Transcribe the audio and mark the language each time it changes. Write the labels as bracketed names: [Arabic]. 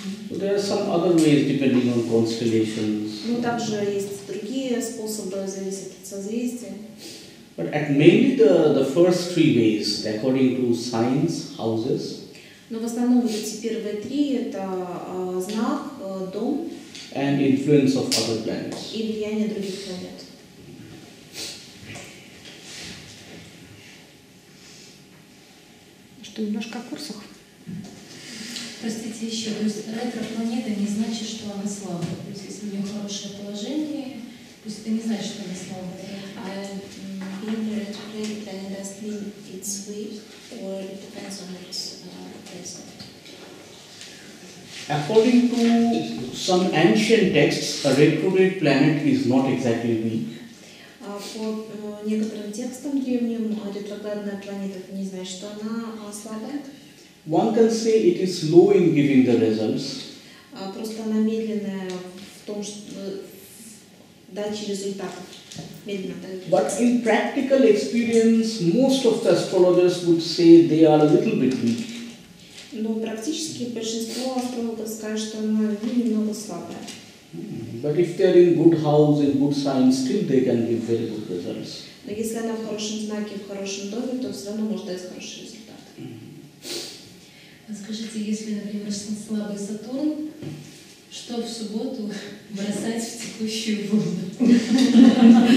[English] There are some other ways depending on constellations. [Russian] Ну также есть другие способы, зависят от созвездия. [English] But at mainly the first three ways, according to signs, houses. [Russian] Но в основном эти первые три это знак, дом. [English] And influence of other planets. [Russian] И влияние других планет. Что, немножко о курсах? Простите еще, то есть ретро-планета не значит, что она слабая. То есть если у нее хорошее положение, то есть это не значит, что она слабая. [English] Being a retrograde planet doesn't mean it's weak or it depends on its placement. According to some ancient texts, a retrograde planet is not exactly weak. [Russian] По некоторым текстам древним, ретроградная планета не значит, что она слабая. [English] One can say it is slow in giving the results. [Russian] Просто она медленная в том, что дачи результатов. [English] But in practical experience, most of the astrologers would say they are a little bit weak. [Russian] Но практически большинство астрологов скажут, что она немного слабая. [English] But if they are in good house, in good signs, still they can give very good results. [Russian] Но если она в хорошем знаке, в хорошем доме, то все равно может дать хорошие результаты. Скажите, если, например, слабый Сатурн, что в субботу бросать в текущую воду?